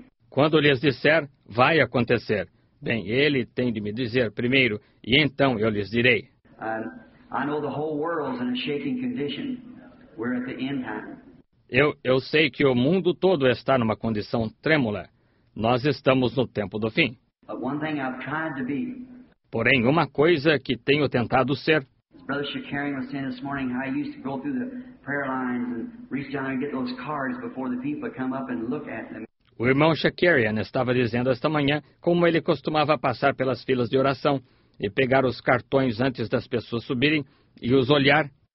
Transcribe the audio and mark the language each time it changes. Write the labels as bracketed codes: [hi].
[pt] Quando lhes disser, vai acontecer. Bem, ele tem de me dizer primeiro, e então eu lhes direi. [en] I know the whole world's in a shaking condition. We're at the end time. [pt] Eu sei que o mundo todo está numa condição trêmula. Nós estamos no tempo do fim. [en] But one thing I've tried to be, [pt] porém, uma coisa que tenho tentado ser. [en] Brother Shakarian was saying this morning how he used to go through the prayer lines and reach down and get those cards before the people come up and look at them. [pt] O irmão Shakarian estava dizendo esta manhã como ele costumava passar pelas filas de oração e pegar os cartões antes das pessoas subirem e os olhar.